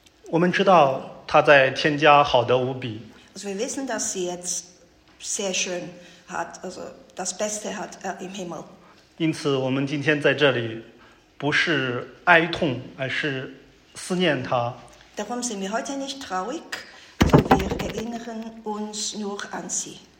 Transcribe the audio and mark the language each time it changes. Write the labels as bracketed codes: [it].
[zh] 我们知道他在天家好得无比。 [de] Also wir wissen, dass sie jetzt sehr schön hat, also das Beste hat im Himmel. [zh] 因此，我们今天在这里不是哀痛，而是思念他。 [de] Darum sind wir heute nicht traurig, sondern wir erinnern uns nur an sie.